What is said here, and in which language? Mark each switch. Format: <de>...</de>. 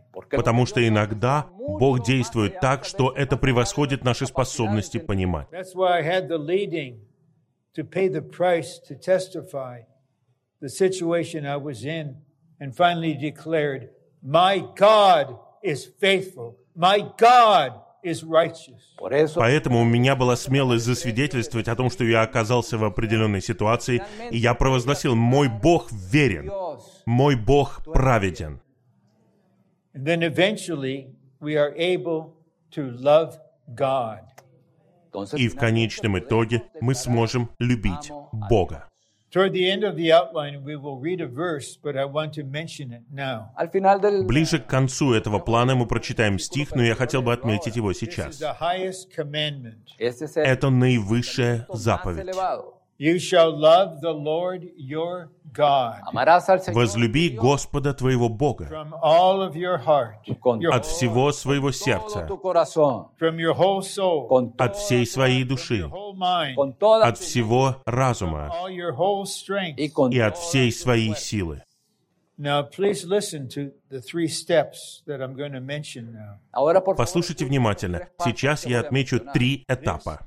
<ru>Потому что иногда Бог действует так, что это превосходит наши способности понимать.</ru> <en>That's why I had the leading to pay the price to testify. The situation I was in, and finally declared, "My God is faithful. My God is righteous."</en> <ru>Поэтому у меня была смелость засвидетельствовать о том, что я оказался в определенной ситуации, и я провозгласил: "Мой Бог верен. Мой Бог праведен."</ru> <en>And then eventually we are able to love God.</en> <ru>И в конечном итоге мы сможем любить Бога.</ru> <en>Toward the end of the outline, we will read a verse, but I want to mention it now.</en> <ru>Ближе к концу этого плана мы прочитаем стих, но я хотел бы отметить его сейчас.</ru> <en>This is the highest commandment.</en> <ru>Это наивысшая заповедь.</ru> <en>You shall love the Lord your God.</en> <ru>Возлюби Господа твоего Бога.</ru> <en>From all of your heart.</en> <ru>От всего своего сердца.</ru> <en>From your whole soul.</en> <ru>От всей своей души. От всего разума.</ru> <en>All your whole strength.</en> <ru>И от всей своей силы.</ru> <en>Now please listen to the three steps that I'm going to mention now.</en> <ru>Послушайте внимательно. Сейчас я отмечу три этапа.</ru>